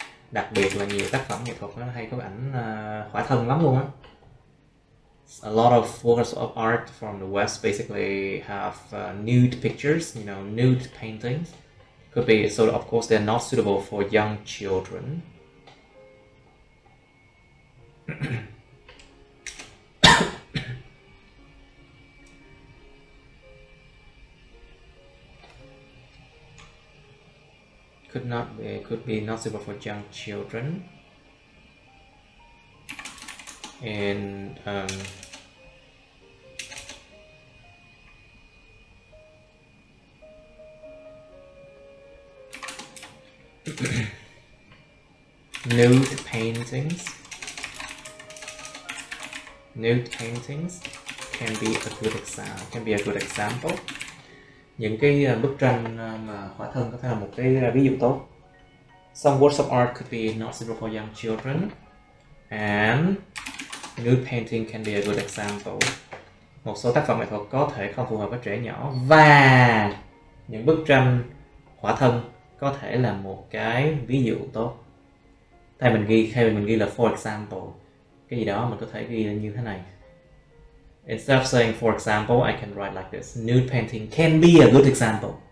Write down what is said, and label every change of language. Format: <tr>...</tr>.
<vi>Đặc biệt là nhiều tác phẩm nghệ thuật nó hay có ảnh khỏa thân lắm luôn á.</vi> <en>A lot of works of art from the West basically have nude pictures, you know, nude paintings. Could be, so of course they're not suitable for young children. could be not suitable for young children. And nude paintings can be a good example.</en> <vi>Những cái bức tranh mà khỏa thân có thể là một cái ví dụ tốt.</vi> <en>Some works of art could be not suitable for young children, and nude painting can be a good example.</en> <vi>Một số tác phẩm nghệ thuật có thể không phù hợp với trẻ nhỏ, và những bức tranh khỏa thân có thể là một cái ví dụ tốt. Thay mình ghi, khi mình ghi là</vi> <en>for example,</en> <vi>cái gì đó mình có thể ghi là như thế này.</vi> <en>Instead of saying for example, I can write like this: nude painting can be a good example.</en>